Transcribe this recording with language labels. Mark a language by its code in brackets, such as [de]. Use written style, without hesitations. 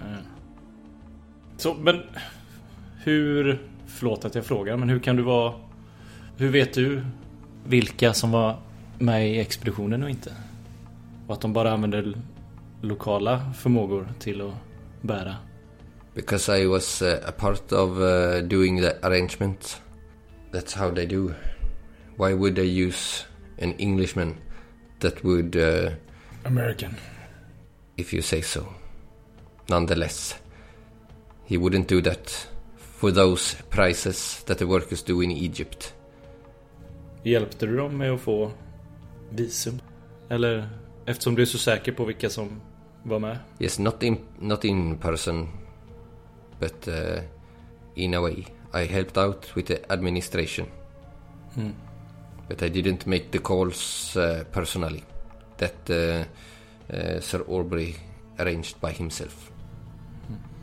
[sv] Mm. Så, men hur... Förlåt att jag frågar, men hur kan du vara... Hur vet du vilka som var med i expeditionen och inte? Och att de bara använde lokala förmågor till att bära? [en] Because I was a part of doing the arrangement. That's how they do. Why would they use an Englishman that would... American. If you say so. Nonetheless, he wouldn't do that for those prices that the workers do in Egypt. [sv] Hjälpte du dem med att få visum? Eller eftersom du är så säker på vilka som var med? [en] Yes, not in person, but in a way. I helped out with the administration. Mm. But I didn't make the calls personally. That Sir Aubrey arranged by himself. Mm.